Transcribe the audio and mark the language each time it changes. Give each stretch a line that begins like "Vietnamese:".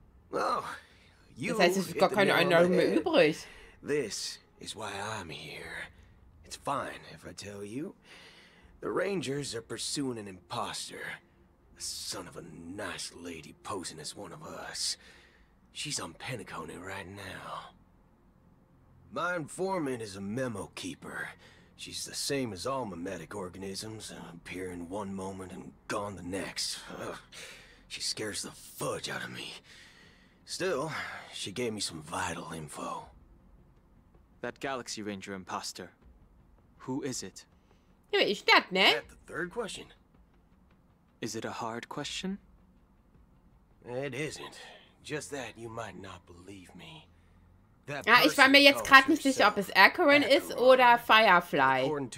German: Das heißt, es ist gar keine Einladung mehr übrig.
English: This is why I'm here. It's fine if I tell you. The Rangers are pursuing an imposter. The son of a nice lady posing as one of us. She's on Pinacone right now. My informant is a memo keeper. She's the same as all memetic organisms, appearing one moment and gone the next. Ugh. She scares the fudge out of me. Still, she gave me some vital info. That Galaxy Ranger imposter. Who is it?
German: Ja, wer ist das, ne?
English: Is that the third question? Is it a hard question? It isn't. Just that you might not believe me.
German: Ja, ich war mir jetzt gerade nicht sicher, ob es Acheron ist oder Firefly.